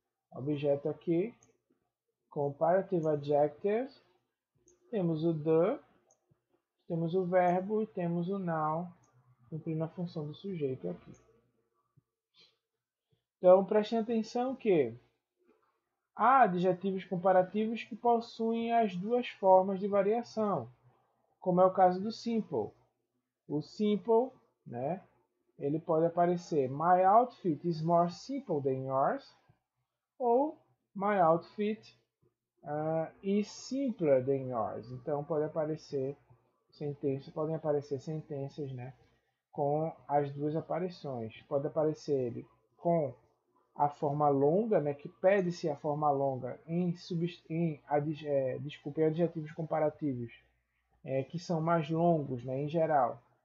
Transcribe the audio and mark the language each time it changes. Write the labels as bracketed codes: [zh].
[pt] Objeto aqui, comparative adjective, temos o the, temos o verbo e temos o noun, cumprindo a função do sujeito aqui. Então, prestem atenção que há adjetivos comparativos que possuem as duas formas de variação, como é o caso do simple. O simple, né, ele pode aparecer: [en] my outfit is more simple than yours, [pt] ou [en] my outfit is simpler than yours. [pt] Então, podem aparecer sentenças, né, com as duas aparições. Pode aparecer ele com a forma longa, né, que pede-se a forma longa em adjetivos comparativos, que são mais longos, né, em geral.